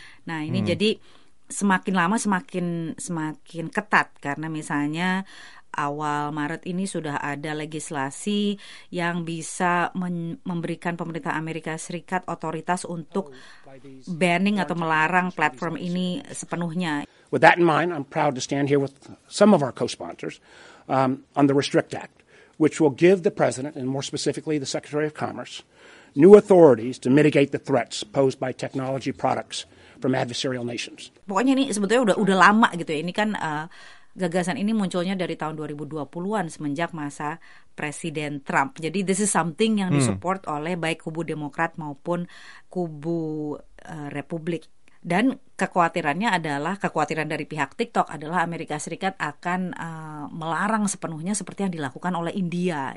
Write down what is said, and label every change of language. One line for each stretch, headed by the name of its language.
Indonesian: Nah ini jadi semakin lama semakin ketat, karena misalnya awal Maret ini sudah ada legislasi yang bisa memberikan pemerintah Amerika Serikat otoritas untuk banning atau melarang platform ini sepenuhnya.
English: With that in mind, I'm proud to stand here with some of our co-sponsors on the Restrict Act, which will give the President and more specifically the Secretary of Commerce new authorities to mitigate the threats posed by technology products from adversarial nations.
Indonesian: Pokoknya ini sebetulnya udah lama gitu ya. Ini kan gagasan ini munculnya dari tahun 2020-an semenjak masa Presiden Trump. Jadi
English: this is something
Indonesian: yang disupport oleh baik kubu Demokrat maupun kubu Republik. Dan kekhawatiran dari pihak TikTok adalah Amerika Serikat akan melarang sepenuhnya seperti yang dilakukan oleh India.